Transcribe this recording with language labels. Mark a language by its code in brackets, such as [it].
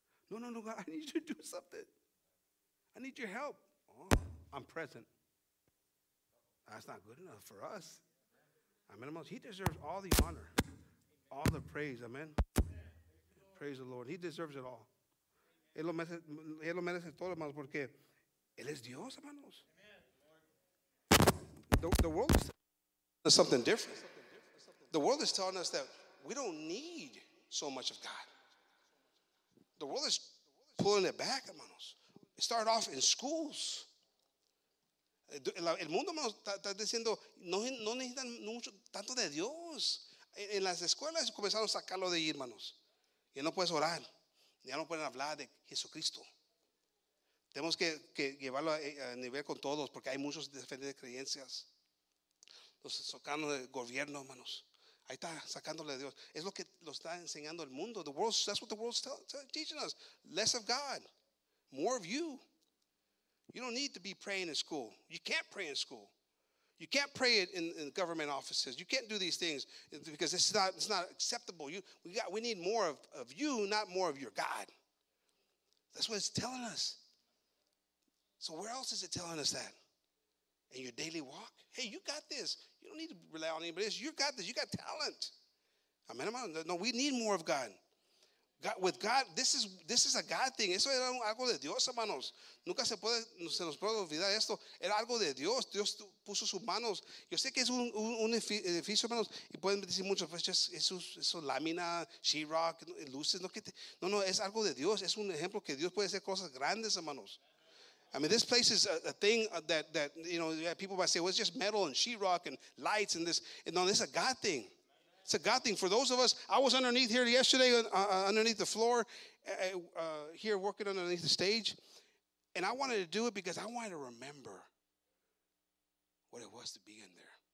[en] No, God, I need you to do something. I need your help. Oh, I'm present. That's not good enough for us. Amen. He deserves all the honor, all the praise. Amen. Praise the Lord. He deserves it all. [es] Él lo merece todo, hermanos, porque Él es Dios, hermanos. [en] The world is something different. The world is telling us that we don't need so much of God. The world is pulling it back, hermanos. It started off in schools. [es] El mundo está diciendo no necesitan mucho tanto de Dios. En las escuelas comenzaron a sacarlo de ahí, hermanos. Ya no puedes orar, ya no pueden hablar de Jesucristo. Tenemos que llevarlo a nivel con todos porque hay muchos diferentes creencias. Los sacando del gobierno, hermanos. Ahí está sacándole de Dios. Es lo que lo está enseñando el mundo. [en] The world, that's what the world's teaching us. Less of God, more of you. You don't need to be praying in school. You can't pray in school. You can't pray it in government offices. You can't do these things because it's not acceptable. We need more of you, not more of your God. That's what it's telling us. So where else is it telling us that? In your daily walk? Hey, you got this. You don't need to rely on anybody else. You got this. You got talent. Amen. No, we need more of God. God, with God, this is a God thing. [es] Eso era algo de Dios, hermanos. Nunca se nos puede olvidar esto. Era algo de Dios. Dios puso sus manos. Yo sé que es un edificio, hermanos. Y pueden decir mucho, pues eso lámina, sheetrock, luces. No, es algo de Dios. Es un ejemplo que Dios puede hacer cosas grandes, hermanos. [en] I mean, this place is a thing that you know, people might say, well, it's just metal and sheetrock and lights and this. And no, this is a God thing. It's a God thing for those of us. I was underneath here yesterday, underneath the floor, here working underneath the stage. And I wanted to do it because I wanted to remember what it was to be in there.